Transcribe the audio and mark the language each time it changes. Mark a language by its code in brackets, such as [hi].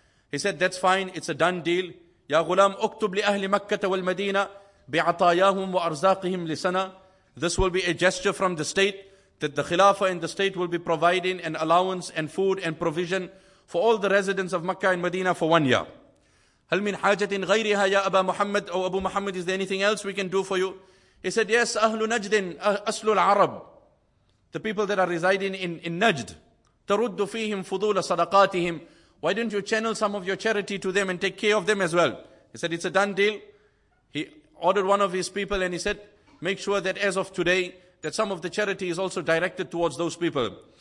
[en] He said, that's fine. It's a done deal. [ar] يَا غُلَامُ أُكْتُبْ لِأَهْلِ مَكَّةَ وَالْمَدِينَةِ بِعَطَايَاهُمْ وَأَرْزَاقِهِمْ لِسَنَةِ. [en] This will be a gesture from the state that the Khilafah and the state will be providing an allowance and food and provision for all the residents of Makkah and Medina for 1 year. [ar] هَلْ مِنْ حَاجَةٍ غَيْرِهَا يَا أَبَا مُحَمَّدْ. [en] Oh, Abu Muhammad, is there anything else we can do for you? He said, yes, [ar] أَهْلُ نَجْدٍ أَسْلُ الْعَرَبِ. [en] The people that are residing in Najd, [ar] تَرُدُّ فِيهِمْ فُضُولَ صَدَقَاتِهِمْ. [en] Why don't you channel some of your charity to them and take care of them as well? He said, it's a done deal. He ordered one of his people and he said, make sure that as of today, that some of the charity is also directed towards those people.